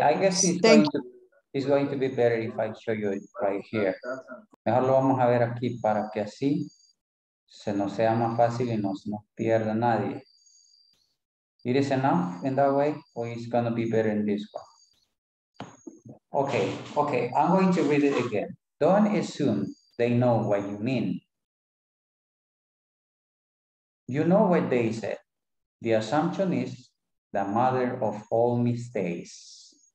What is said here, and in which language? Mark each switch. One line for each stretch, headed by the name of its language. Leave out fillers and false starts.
English: I guess it's going to be better if I show you it right here.
Spanish: Mejor lo vamos a ver aquí para que así se nos sea más fácil y no se nos pierda nadie.
English: It is enough in that way, or it's going to be better in this one. Okay. Okay. I'm going to read it again. Don't assume they know what you mean. You know what they said. The assumption is the mother of all mistakes.